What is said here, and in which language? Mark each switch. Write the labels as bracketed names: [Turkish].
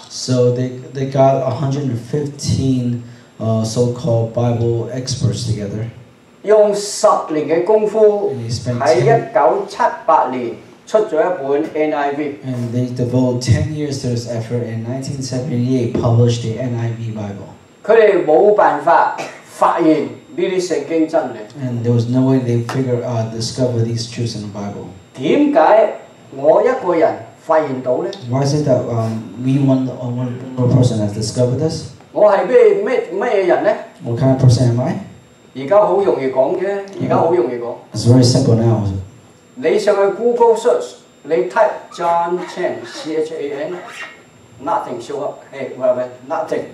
[English] So they got 115 so-called Bible experts together. [Cantonese] 用10年嘅功夫喺1978年出咗一本 NIV。 [English] And they devoted 10 years to this effort in 1978, published the NIV Bible. [Cantonese] 佢哋冇辦法發現呢啲聖經真理。 [English] And there was no way they discover these truths in the Bible. [Cantonese] 點解我一個人發現到咧？ [English] Why is it that one person has discovered this? [Cantonese] 我係咩人咧？ [English] What kind of person am I? [Cantonese] 而家好容易講啫，而家好容易講。 [English] It's very simple now. [Cantonese] 你上去 Google search， 你 type John Chan C H A N， [English] nothing show up， nothing。